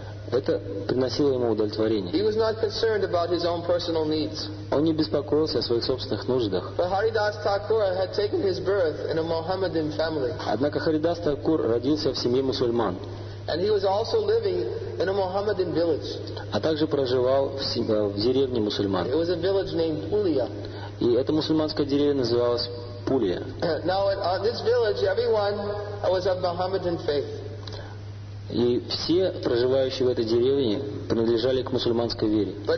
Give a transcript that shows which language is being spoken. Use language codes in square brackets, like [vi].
[ru] Это приносило ему удовлетворение. [en] He was not concerned about his own personal needs. [ru] Он не беспокоился о своих собственных нуждах. [en] But Haridas Thakur had taken his birth in a Mohammedan family. [ru] Однако Харидас Такур родился в семье мусульман. [en] And he was also living in a Mohammedan village. [ru] А также проживал в деревне мусульман. [en] It was a village named Pulia. [ru] И эта мусульманская деревня называлась Пулия. [en] Now in this village, everyone was of Mohammedan faith. [ru] И все проживающие в этой деревне принадлежали к мусульманской вере.